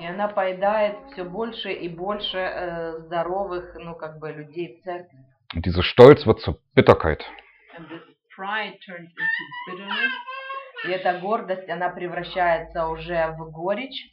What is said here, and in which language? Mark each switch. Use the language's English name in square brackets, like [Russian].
[Russian] И она поедает все больше и больше здоровых, ну как бы людей в церкви. [German] Und dieser Stolz wird zur Bitterkeit. [English] And this pride turns into bitterness. [Russian] И эта гордость, она превращается уже в горечь.